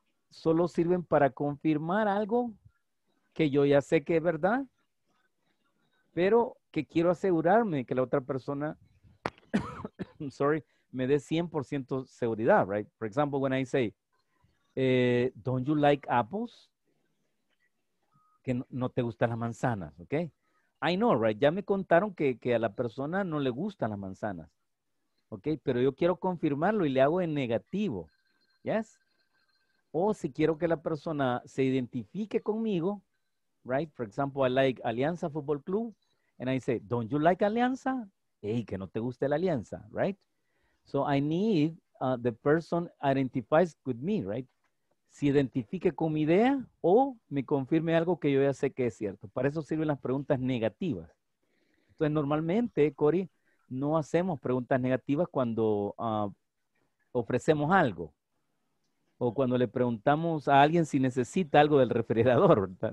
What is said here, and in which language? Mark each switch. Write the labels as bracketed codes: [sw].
[es] Solo sirven para confirmar algo que yo ya sé que es verdad, pero que quiero asegurarme que la otra persona, sorry, me dé 100% seguridad, right? [en] For example, when I say, don't you like apples? [es] Que no te gustan las manzanas, [en] okay? I know, right? [es] Ya me contaron que a la persona no le gustan las manzanas. Okay, pero yo quiero confirmarlo y le hago en negativo. Yes? O si quiero que la persona se identifique conmigo, right? [en] For example, I like Alianza Football Club. And I say, don't you like Alianza? [es] Hey, que no te guste la Alianza, right? [en] So I need the person identifies with me, right? [es] Si identifique con mi idea o me confirme algo que yo ya sé que es cierto. Para eso sirven las preguntas negativas. Entonces, normalmente, Cory, no hacemos preguntas negativas cuando ofrecemos algo. O cuando le preguntamos a alguien si necesita algo del refrigerador. ¿Verdad?